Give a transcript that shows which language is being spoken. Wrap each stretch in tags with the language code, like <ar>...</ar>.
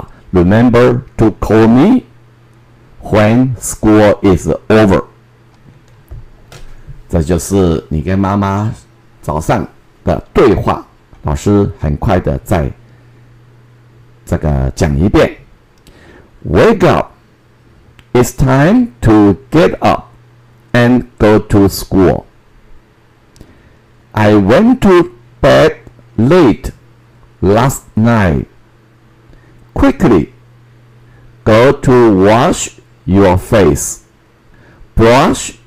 <en>Remember to call me when school is over。</en> <zh>这就是你跟妈妈早上的对话，老师很快的再这个讲一遍。</zh> <en>Wake up， It's time to get up and go to school。 I went to bed late last night。 Quickly Go to wash your face. Brush</en>